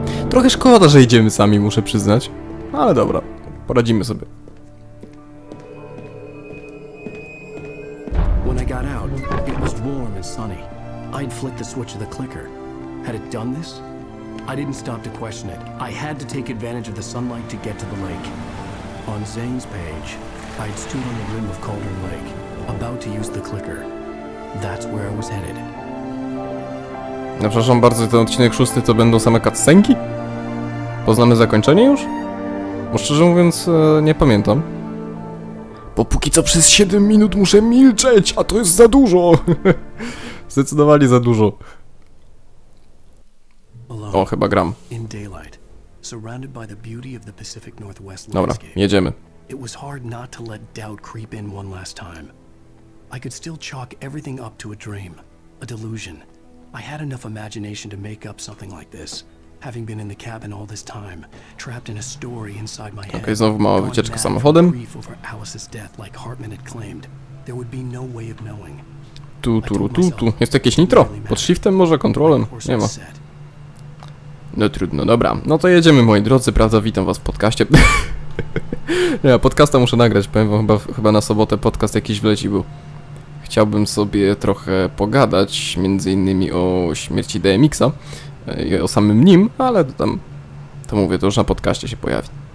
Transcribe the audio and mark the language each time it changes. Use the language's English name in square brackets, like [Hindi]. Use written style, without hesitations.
[Polish] Trochę szkoda, że idziemy sami, muszę przyznać. Ale dobra, poradzimy sobie. [English] When I got out, it was warm and sunny. I'd flicked the switch of the clicker. Had it done this? I didn't stop to question it. I had to take advantage of the sunlight to get to the lake. On Zane's page, I'd stood on the rim of Cauldron Lake, about to use the clicker. That's where I was headed. [Polish] No, przepraszam bardzo, ten odcinek szósty to będą same cutscenki? Poznamy zakończenie już? Bo szczerze mówiąc, nie pamiętam. Bo póki co przez 7 minut muszę milczeć, a to jest za dużo! Zdecydowali za dużo. O, chyba gram. [English] Surrounded by the beauty of the Pacific Northwest landscape. [Polish] Dobra, jedziemy. [English] It was hard not to let doubt creep in one last time. I could still chalk everything up to a dream, a delusion. I had enough imagination to make up something like this, having been in the cabin all this time, trapped in a story inside my head. [Polish] Okay, znowu mała wycieczka samochodem. [English] Grief over Alice's death, like Hartman had claimed. There would be no way of knowing. [Polish] Tu, tu, tu, tu. Jest to jakieś nitro? Pod shiftem może kontrolem? Nie ma. No trudno, dobra. No to jedziemy, moi drodzy, prawda? Witam was w podcaście. Nie, podcasta muszę nagrać, powiem wam, chyba na sobotę podcast jakiś wleci, bo chciałbym sobie trochę pogadać, między innymi o śmierci DMX-a i o samym nim, ale to tam, to mówię, to już na podcaście się pojawi.